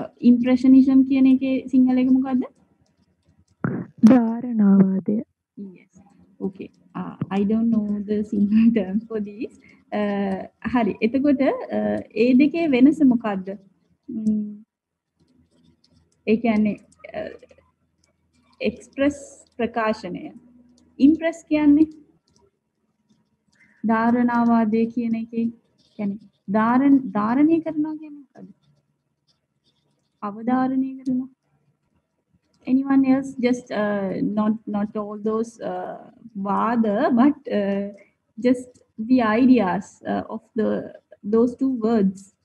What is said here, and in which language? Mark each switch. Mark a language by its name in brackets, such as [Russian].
[Sinhala] ඉම්ප්‍රෙෂනිසම් කියන එකේ සිංහල එක මොකද්ද? ධාරණාවාදය. [English] Yes. Okay. I don't know the single term for this. [Sinhala] හරි. එතකොට ඒ දෙකේ වෙනස මොකද්ද? ඒ කියන්නේ එක්ස්ප්‍රෙස් ප්‍රකාශනය. ඉම්ප්‍රෙස් කියන්නේ ධාරණාවාදය කියන එකේ, කියන්නේ ධාරණය කරනවා කියන්නේ මොකද්ද? Avadharane karuna. [English] Anyone else? Just not all those vada, but just the ideas of those two words.